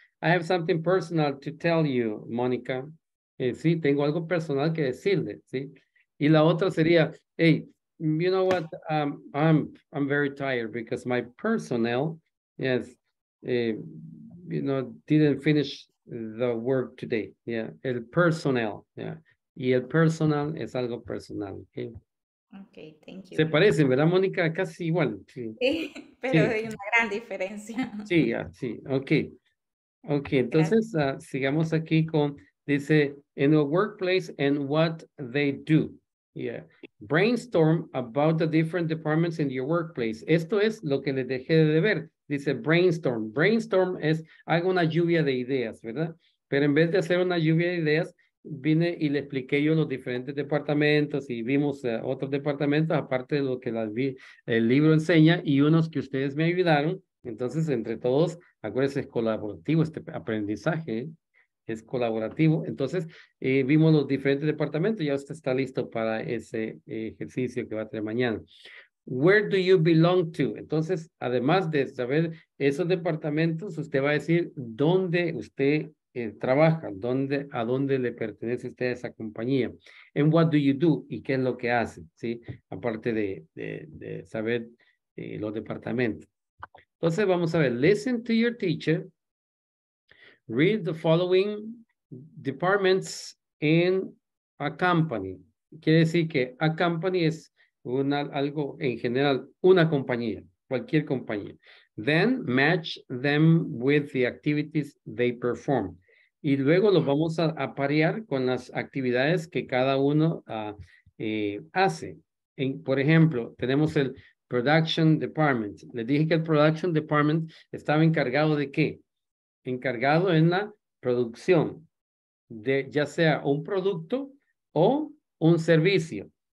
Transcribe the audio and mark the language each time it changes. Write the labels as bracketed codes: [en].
[en] I have something personal to tell you, Mónica. [es] Sí, tengo algo personal que decirle, ¿sí? Y la otra sería, [en] hey, you know what? I'm very tired because my personnel, yes, you know, didn't finish the work today. [es] Yeah, el personal, yeah. Y el personal es algo personal, ¿okay? [en] Okay, thank you. [es] Se parecen, ¿verdad, Mónica? Casi igual. Sí, pero sí. Hay una gran diferencia. Sí, sí, [en] okay. Okay, [es] entonces sigamos aquí con, dice, [en] in the workplace and what they do. Yeah. Brainstorm about the different departments in your workplace. [es] Esto es lo que les dejé de ver. Dice, brainstorm. Brainstorm es, haga una lluvia de ideas, ¿verdad? Pero en vez de hacer una lluvia de ideas, vine y le expliqué yo los diferentes departamentos y vimos otros departamentos, aparte de lo que el libro enseña y unos que ustedes me ayudaron. Entonces, entre todos, acuérdense, es colaborativo este aprendizaje, es colaborativo. Entonces, vimos los diferentes departamentos, ya usted está listo para ese ejercicio que va a tener mañana. [en] Where do you belong to? [es] Entonces, además de saber esos departamentos, usted va a decir dónde usted trabaja, a dónde le pertenece usted a esa compañía. [en] And what do you do? [es] ¿Y qué es lo que hace? ¿Sí? Aparte de saber los departamentos. Entonces vamos a ver, [en] listen to your teacher, read the following departments in a company. [es] Quiere decir que a company es algo en general, una compañía, cualquier compañía. [en] Then match them with the activities they perform. [es] Y luego los vamos a parear con las actividades que cada uno hace. Por ejemplo, tenemos el Production Department. Les dije que el Production Department estaba encargado de qué. Encargado en la producción de ya sea un producto o un servicio.